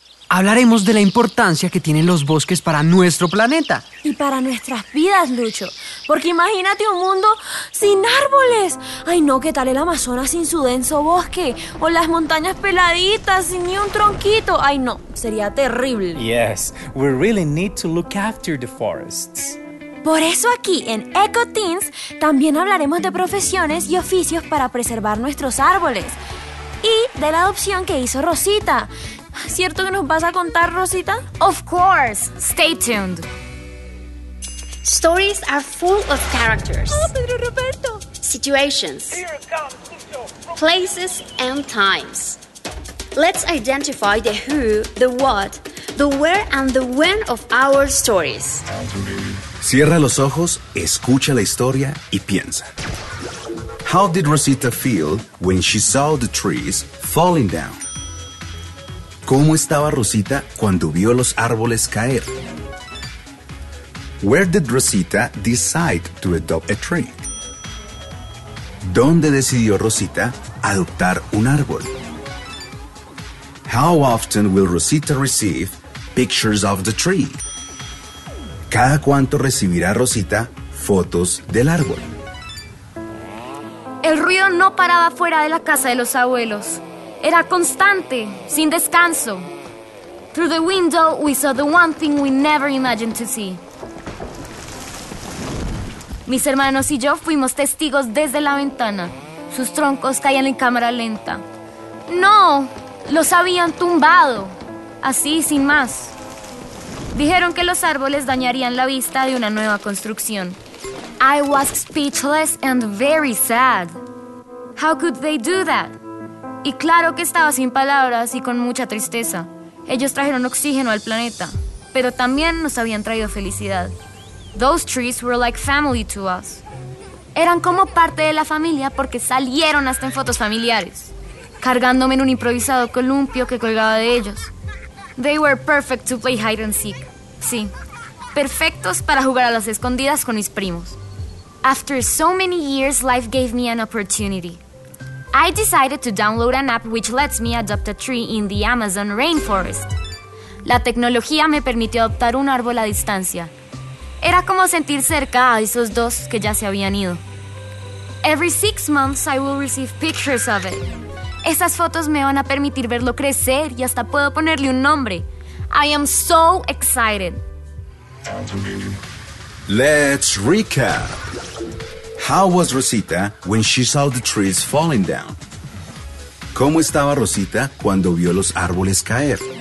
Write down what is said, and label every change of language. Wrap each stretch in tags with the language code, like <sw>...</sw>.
<es>Hablaremos de la importancia que tienen los bosques para nuestro planeta. Y para nuestras vidas, Lucho. Porque imagínate un mundo sin árboles. Ay, no, ¿qué tal el Amazonas sin su denso bosque? O las montañas peladitas sin ni un tronquito. Ay, no, sería terrible.</es> <en>Yes, we really need to look after the forests.</en> <es>Por eso aquí en EcoTeens también hablaremos de profesiones y oficios para preservar nuestros árboles. Y de la adopción que hizo Rosita. ¿Cierto que nos vas a contar, Rosita?</es> <en>Of course. Stay tuned. Stories are full of characters. Oh, Pedro Roberto. Situations. Places and times. Let's identify the who, the what, the where and the when of our stories.</en> <es>Cierra los ojos, escucha la historia y piensa.</es> <en>How did Rosita feel when she saw the trees falling down?</en> <es>¿Cómo estaba Rosita cuando vio los árboles caer?</es> <en>Where did Rosita decide to adopt a tree?</en> <es>¿Dónde decidió Rosita adoptar un árbol?</es> <en>How often will Rosita receive pictures of the tree?</en> <es>¿Cada cuánto recibirá Rosita fotos del árbol? El ruido no paraba fuera de la casa de los abuelos. Era constante, sin descanso.</es> <en>Through the window, we saw the one thing we never imagined to see.</en> <es>Mis hermanos y yo fuimos testigos desde la ventana. Sus troncos caían en cámara lenta. ¡No! Los habían tumbado. Así, sin más. Dijeron que los árboles dañarían la vista de una nueva construcción.</es> <en>I was speechless and very sad. How could they do that?</en> <es>Y claro que estaba sin palabras y con mucha tristeza. Ellos trajeron oxígeno al planeta, pero también nos habían traído felicidad.</es> <en>Those trees were like family to us.</en> <es>Eran como parte de la familia porque salieron hasta en fotos familiares, cargándome en un improvisado columpio que colgaba de ellos.</es> <en>They were perfect to play hide and seek.</en> <es>Sí, perfectos para jugar a las escondidas con mis primos.</es> <en>After so many years, life gave me an opportunity. I decided to download an app which lets me adopt a tree in the Amazon rainforest.</en> <es>La tecnología me permitió adoptar un árbol a distancia. Era como sentir cerca a esos dos que ya se habían ido.</es> <en>Every 6 months I will receive pictures of it.</en> <es>Esas fotos me van a permitir verlo crecer y hasta puedo ponerle un nombre.</es> <en>I am so excited. Let's recap. How was Rosita when she saw the trees falling down?</en> <es>¿Cómo estaba Rosita cuando vio los árboles caer?</es>